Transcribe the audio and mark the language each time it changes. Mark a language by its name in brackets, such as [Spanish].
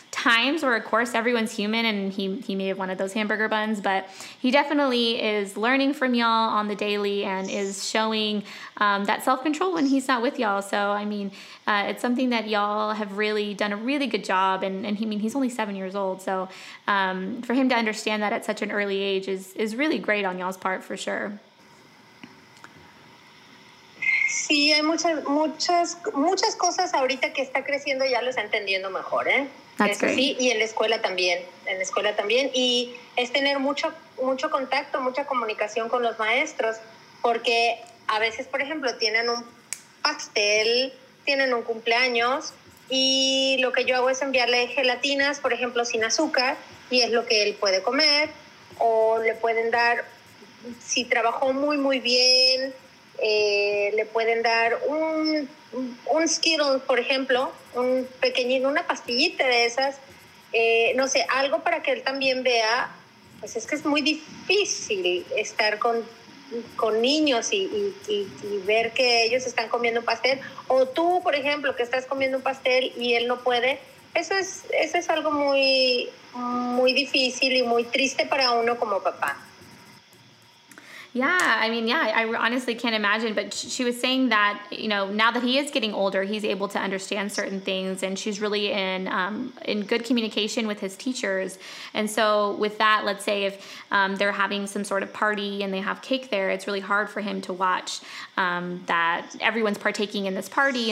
[English] times where, of course, everyone's human and he may have wanted those hamburger buns, but he definitely is learning from y'all on the daily and is showing that self-control when he's not with y'all. So, I mean, it's something that y'all have really done a really good job. And he, I mean, he's only 7 years old. So for him to understand that at such an early age is really great on y'all's part for sure. [Spanish] Sí, hay muchas cosas ahorita que está creciendo, ya lo está entendiendo mejor, ¿eh? [English] That's great. [Spanish] Sí, y en la escuela también, Y es tener mucho contacto, mucha comunicación con los maestros, porque a veces, por ejemplo, tienen un pastel, tienen un cumpleaños, y lo que yo hago es enviarle gelatinas, por ejemplo, sin azúcar, y es lo que él puede comer, o le pueden dar, si trabajó muy, muy bien... le pueden dar un Skittle, por ejemplo, un pequeñito, una pastillita de esas, no sé, algo para que él también vea, pues es que es muy difícil estar con niños y ver que ellos están comiendo un pastel, o tú, por ejemplo, que estás comiendo un pastel y él no puede, eso es algo muy, muy difícil y muy triste para uno como papá. [English] Yeah, I mean, yeah, I honestly can't imagine, but she was saying that, you know, now that he is getting older, he's able to understand certain things, and she's really in good communication with his teachers. And so with that, let's say if they're having some sort of party and they have cake there, it's really hard for him to watch that everyone's partaking in this party.